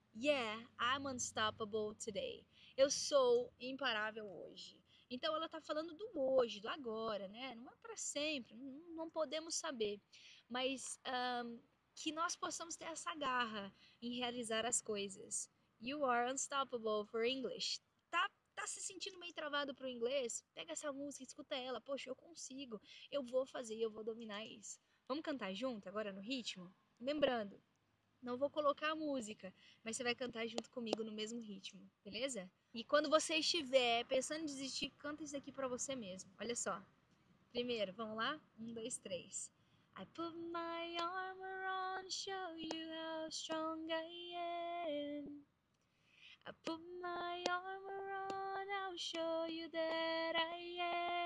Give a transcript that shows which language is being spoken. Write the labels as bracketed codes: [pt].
[en] Yeah, I'm unstoppable today. [pt] Eu sou imparável hoje. Então ela tá falando do hoje, do agora, né? Não é para sempre, não podemos saber. Mas que nós possamos ter essa garra em realizar as coisas. [en] You are unstoppable for English. [pt] Tá se sentindo meio travado pro inglês? Pega essa música, escuta ela. Poxa, eu consigo. Eu vou fazer, eu vou dominar isso. Vamos cantar junto agora no ritmo? Lembrando, não vou colocar a música, mas você vai cantar junto comigo no mesmo ritmo, beleza? E quando você estiver pensando em desistir, canta isso aqui para você mesmo. Olha só. Primeiro, vamos lá? Um, dois, três. [en] I put my armor on, show you how strong I am. I put my armor on, I'll show you that I am.